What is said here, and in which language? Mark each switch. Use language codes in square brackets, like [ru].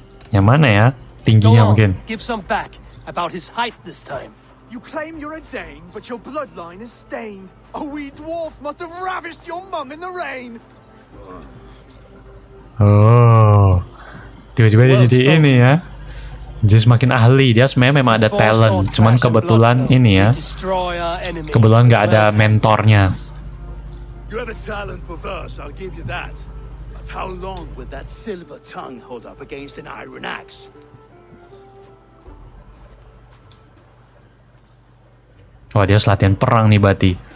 [id] Yang mana ya? Tingginya mungkin. [en] Give some back about his height this time. You claim you're a Dane, but your bloodline is stained. A wee dwarf must have ravished your mum in the rain. Oh. [id] Tiba-tiba dia jadi ini ya. Jadi semakin ahli. Dia sebenarnya memang ada talent. Cuman kebetulan ini ya. Kebetulan gak ada mentornya. [en] You have a talent for verse, I'll give you that. How long would that silver tongue hold up against an iron axe? [id] Wah, dia latihan perang nih, Bati.